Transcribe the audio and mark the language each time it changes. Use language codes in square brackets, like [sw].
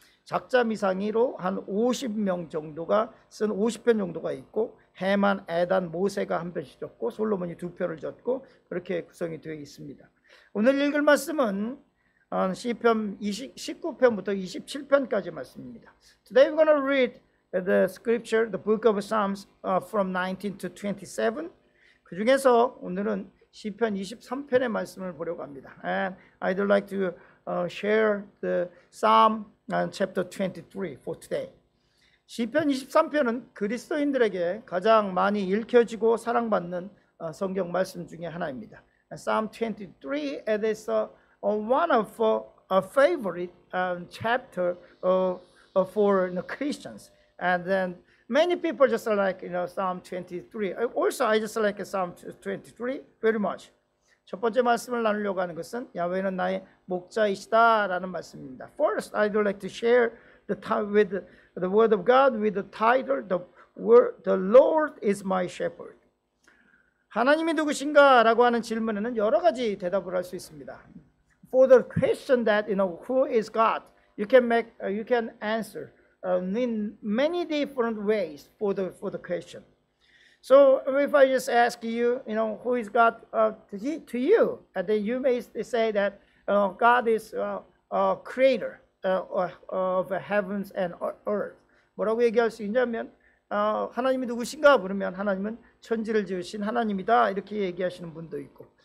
[ko] 작자 미상으로 한 50명 정도가 쓴 50편 정도가 있고 헤만, 에단, 모세가 한 편씩 졌고 솔로몬이 두 편을 졌고 그렇게 구성이 되어 있습니다. 오늘 읽을 말씀은 시편 19편부터 27편까지 말씀입니다. [en] Today we're going to read the scripture, the book of Psalms from 19 to 27. [ko] 그 중에서 오늘은 시편 23편의 말씀을 보려고 합니다. [en] And I'd like to share the Psalm and chapter 23 for today. [ko] 시편 23편은 그리스도인들에게 가장 많이 읽혀지고 사랑받는 성경 말씀 중에 하나입니다. [en] Psalm 23 is one of a favorite chapter for Christians. And then many people just like, you know, Psalm 23. Also, I just like Psalm 23 very much. [ko] 첫 번째 말씀을 나누려고 하는 것은 야훼는 나의 목자이시다라는 말씀입니다. [en] First, I'd like to share the word of God with the title the Lord is my shepherd. [ko] 하나님이 누구신가라고 하는 질문에는 여러 가지 대답을 할 수 있습니다. [en] For the question that, you know, who is God, you can answer in many different ways for the question. So if I just ask you, you know, who is God to you, and then you may say that God is a creator of heavens and earth. [ko] 뭐라고 얘기할 수 있냐면 하나님이 누구신가 물으면 하나님은 천지를 지으신 하나님이다 이렇게 얘기하시는 분도 있고.